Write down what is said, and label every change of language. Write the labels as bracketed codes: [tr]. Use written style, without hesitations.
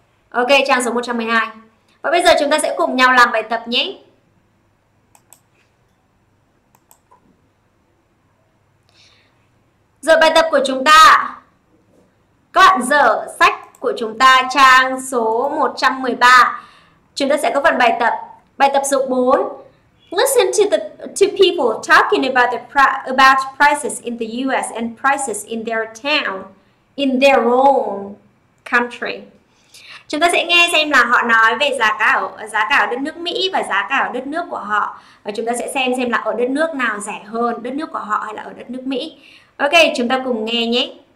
[vi] Ok, trang số 112. Và bây giờ chúng ta sẽ cùng nhau làm bài tập nhé. Rồi, bài tập của chúng ta, các bạn dở sách của chúng ta trang số 113. Chúng ta sẽ có phần bài tập. Bài tập số 4. [en] Listen to the two people talking about the about prices in the US and prices in their town in their own country. [vi] Chúng ta sẽ nghe xem là họ nói về giá cả ở đất nước Mỹ và giá cả ở đất nước của họ. Và chúng ta sẽ xem là ở đất nước nào rẻ hơn, đất nước của họ hay là ở đất nước Mỹ. Ok, chúng ta cùng nghe nhé.